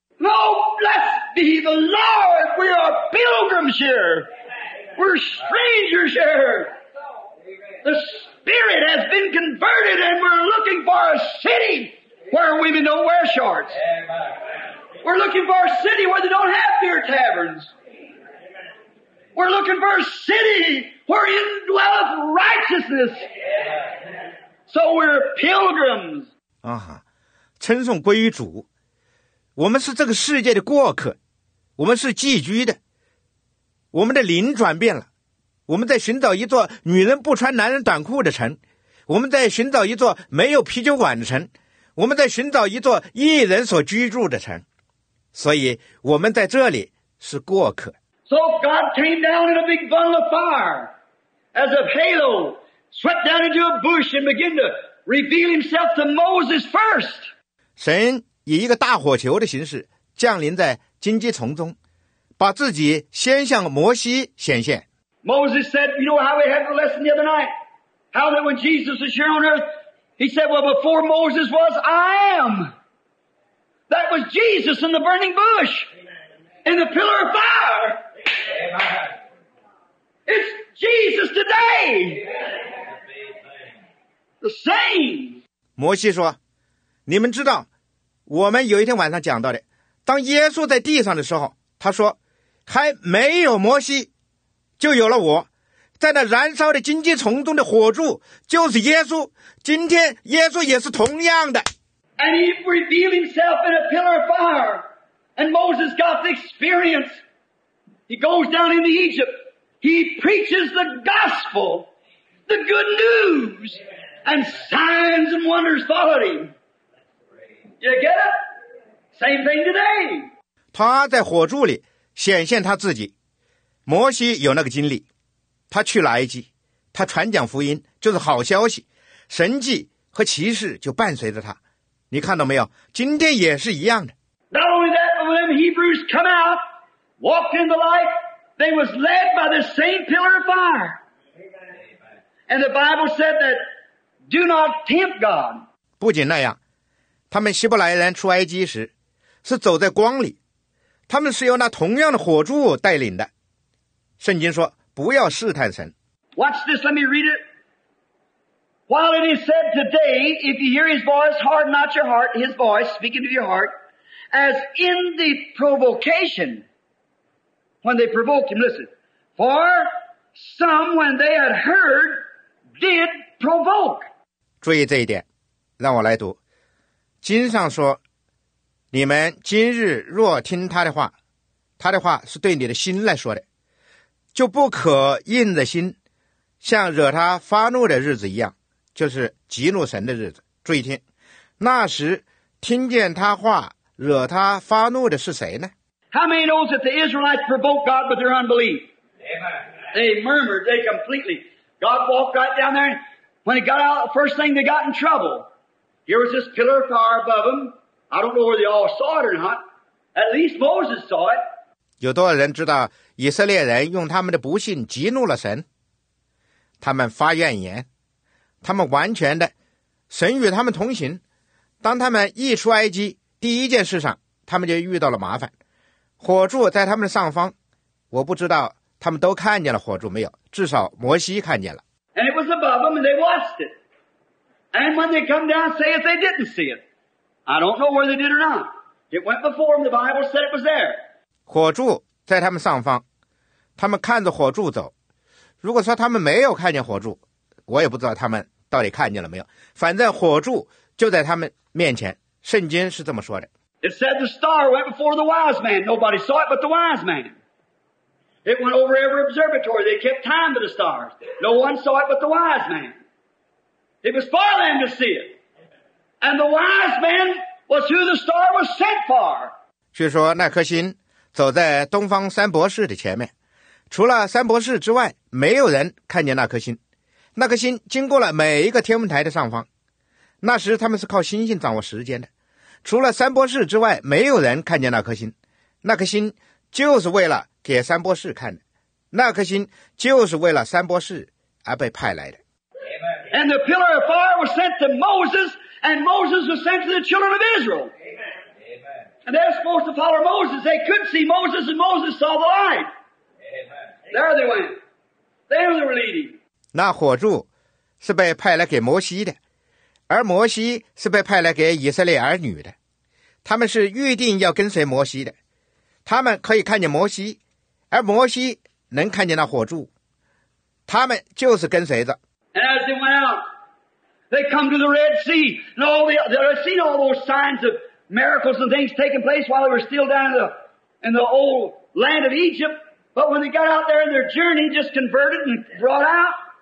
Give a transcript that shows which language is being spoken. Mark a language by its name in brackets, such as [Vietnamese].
[English] No, blessed be the Lord, we are pilgrims here. We're strangers here. The Spirit has been converted and we're looking for a city where women don't wear shorts. We're looking for a city where they don't have beer taverns. We're looking for a city where indwelleth righteousness. So we're pilgrims. [Chinese] 啊哈，称颂归于主。我们是这个世界的过客，我们是寄居的，我们的灵转变了。我们在寻找一座女人不穿男人短裤的城，我们在寻找一座没有啤酒馆的城，我们在寻找一座异人所居住的城，所以我们在这里是过客。 [English] So God came down in a big bundle of fire, as a halo, swept down into a bush and began to reveal Himself to Moses first. [Chinese] 神以一个大火球的形式降临在荆棘丛中，把自己先向摩西显现。 [English] Moses said, you know how we had the lesson the other night? How that when Jesus was here on earth, he said, well, before Moses was, I am. That was Jesus in the burning bush, in the pillar of fire. It's Jesus today. The same. [Chinese] 摩西说，你们知道，我们有一天晚上讲到的，当耶稣在地上的时候，他说，还没有摩西。就有了我，在那燃烧的荆棘丛中的火柱就是耶稣，今天耶稣也是同样的。 [English] And he revealed himself in a pillar of fire, and Moses got the experience. He goes down into Egypt, he preaches the gospel, the good news, and signs and wonders followed him. You get it? Same thing today. [Chinese] 他在火柱里显现他自己，摩西有那个经历，他去了埃及，他传讲福音，就是好消息，神迹和奇事就伴随着他。你看到没有？今天也是一样的。 [English] Not only that, but when Hebrews come out, walked in the light, they was led by the same pillar of fire. And the Bible said that, do not tempt God. [Chinese] 不仅那样，他们希伯来人出埃及时，是走在光里，他们是由那同样的火柱带领的。圣经说不要试探神。 [English] Watch this, let me read it. While it is said today, if you hear his voice, harden not your heart, his voice, speaking to your heart, as in the provocation, when they provoked him. Listen, for some, when they had heard, did provoke. [Chinese] 注意这一点，让我来读。经上说，你们今日若听他的话，他的话是对你的心来说的，就不可硬着心，像惹他发怒的日子一样，就是激怒神的日子。注意听，那时听见他话惹他发怒的是谁呢？ [English] How many knows that the Israelites provoked God with their unbelief? Amen. They murmured, they completely. God walked right down there, and when he got out, the first thing they got in trouble. Here was this pillar of fire above them. I don't know whether they all saw it or not. At least Moses saw it. [Chinese] 有多少人知道以色列人用他们的不信激怒了神？他们发怨言，他们完全的，神与他们同行。当他们一出埃及，第一件事上，他们就遇到了麻烦。火柱在他们的上方，我不知道他们都看见了火柱没有，至少摩西看见了。 [English] And it was above them, and they watched it. And when they come down, say if they didn't see it. I don't know where they did or not. It went before them, the Bible said it was there. [Chinese] 火柱在他们上方，他们看着火柱走。如果说他们没有看见火柱，我也不知道他们到底看见了没有，反正火柱就在他们面前，圣经是这么说的。 [English] It said the star went before the wise man. Nobody saw it but the wise man. It went over every observatory. They kept time to the stars. No one saw it but the wise man. It was for them to see it. And the wise man was who the star was sent for. [Chinese] 据说那颗星走在东方三博士的前面，除了三博士之外，没有人看见那颗星。那颗星经过了每一个天文台的上方。那时他们是靠星星掌握时间的，除了三博士之外，没有人看见那颗星。那颗星就是为了给三博士看的，那颗星就是为了三博士而被派来的。 [English] And the pillar of fire was sent to Moses, and Moses was sent to the children of Israel. And they're supposed to follow Moses. They could see Moses, and Moses saw the light. There they went. There they were leading. [Chinese] 那火柱是被派来给摩西的，而摩西是被派来给以色列儿女的，他们是预定要跟随摩西的，他们可以看见摩西，而摩西能看见那火柱，他们就是跟随着。 [English] And as they went out, they come to the Red Sea, and all they had seen all those signs of miracles and things taking place while they were still down in the old land of Egypt. But when they got out there in their journey, just converted and brought out.